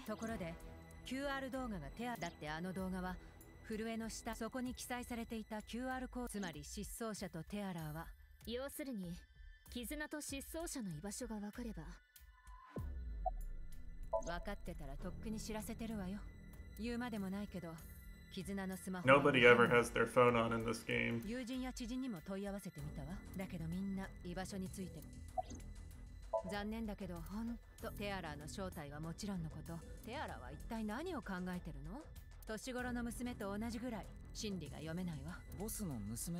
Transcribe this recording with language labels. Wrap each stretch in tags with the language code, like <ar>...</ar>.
<ja>ところで QR 動画が手当だって。あの動画は震えの下、そこに記載されていた QR コード、つまり失踪者とテアラーは。要するに絆と失踪者の居場所が分かれば。分かってたらとっくに知らせてるわよ。言うまでもないけど、絆のスマホ。</ja> <en>Nobody ever has their phone on in this game。</en> <ja>友人や知人にも問い合わせてみたわ。だけどみんな居場所について。残念だけど、ほんとテアラーの正体はもちろんのこと、テアラーは一体何を考えてるの。年頃の娘と同じぐらい心理が読めないわ。ボスの娘。</ja>